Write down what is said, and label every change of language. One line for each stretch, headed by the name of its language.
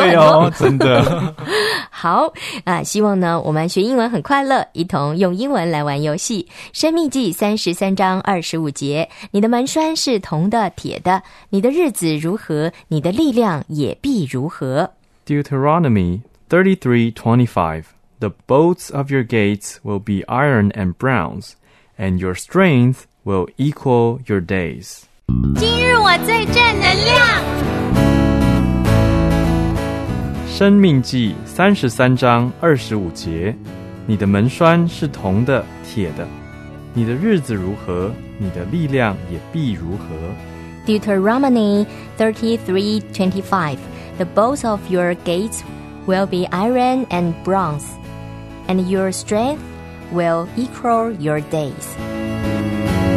Chinese: 对哦，真的好啊！希望呢，我们学英文很快乐，一同用英文来玩游戏。生命记33:25，你的门栓是铜的、铁的，你的日子如何，你的力量也必如何。
English: Deuteronomy 33:25, the bolts of your gates will be iron and bronze, and your strength will equal your days.
Chinese: 今日我最正能量。生命记33:25，你的门栓是铜的、铁的，你的日子如何，你的力量也必如何。
English: Deuteronomy 33:25, the bolts of your gates will be iron and bronze, and your strength will equal your days.